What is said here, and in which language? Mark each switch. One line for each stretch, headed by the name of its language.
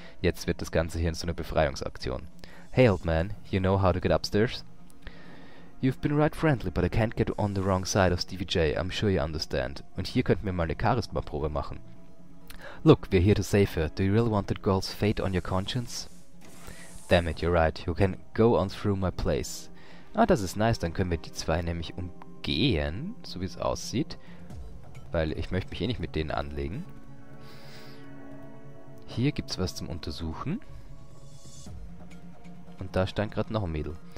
German: Jetzt wird das Ganze hier in so eine Befreiungsaktion.
English: Hey old man, you know how to get upstairs? You've been right friendly, but I can't get on the wrong side of Stevie J, I'm sure you understand.
German: Und hier könnten wir mal eine Charisma-Probe machen.
English: Look, we're here to save her. Do you really want that girl's fate on your conscience? Damn it, you're right. You can go on through my place.
German: Ah, das ist nice. Dann können wir die zwei nämlich umgehen, so wie es aussieht. Weil ich möchte mich eh nicht mit denen anlegen. Hier gibt's was zum Untersuchen. Und da stand gerade noch ein Mädel.